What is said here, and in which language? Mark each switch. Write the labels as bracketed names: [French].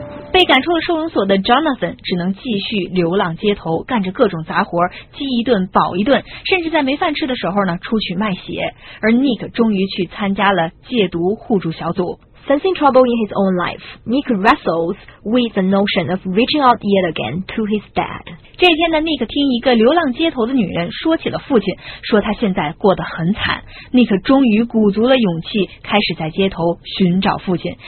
[Chinese] 被赶出了收容所的 Jonathan 只能继续流浪街头，干着各种杂活，饥一顿饱一顿，甚至在没饭吃的时候呢，出去卖血。而 Nick 终于去参加了戒毒互助小组。 [English] Sensing trouble in his own life, Nick wrestles with the notion of reaching out yet again to his dad. [Chinese] 这天呢 ，Nick 听一个流浪街头的女人说起了父亲，说他现在过得很惨。 Nick 终于鼓足了勇气，开始在街头寻找父亲。